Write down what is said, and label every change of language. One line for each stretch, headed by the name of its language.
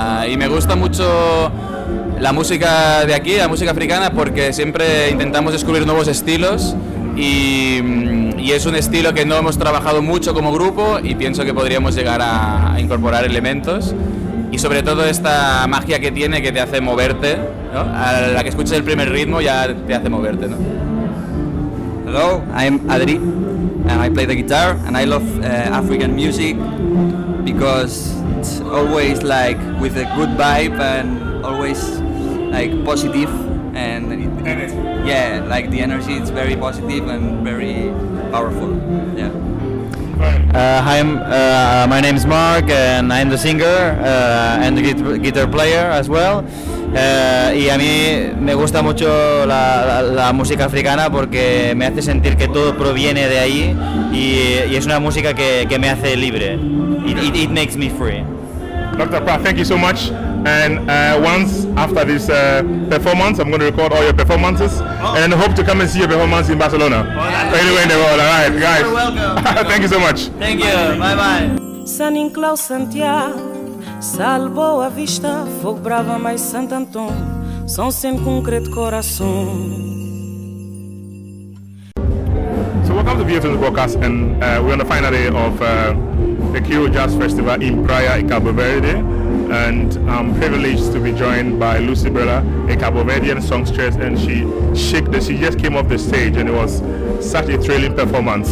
Spanish: Y me gusta mucho la música de aquí, la música africana, porque siempre intentamos descubrir nuevos estilos. Y es un estilo que no hemos trabajado mucho como grupo y pienso que podríamos llegar a incorporar elementos y sobre todo esta magia que tiene, que te hace moverte, ¿no? A la que escuches el primer ritmo ya te hace moverte, ¿no?
English: Hello, I'm Adri and I play the guitar and I love African music because it's always like with a good vibe and always like positive and yeah, like the energy is very positive and very powerful. Yeah. Hi, my name is Mark, and I'm the singer and the guitar player as well.
Spanish: Y a mí me gusta mucho la música africana porque me hace sentir que todo proviene de ahí y es una música que me hace libre.
English: It makes me free. Dr. Pratt, thank you so much. And once after this performance, I'm going to record all your performances and hope to come and see your performance in Barcelona. Well, anywhere in the world, all right, guys. You're welcome. Thank you so much. Thank you. Bye-bye. San Inclau Santiago salvou a vista, fogo brava mais Sant Anton, som sem concreto coração. So welcome to VFM's broadcast, and we're on the final day of the Kriol Jazz Festival in Praia, in Cabo Verde. And I'm privileged to be joined by Lucibela, a Cabo Verdean songstress, and she just came off the stage, and it was such a thrilling performance.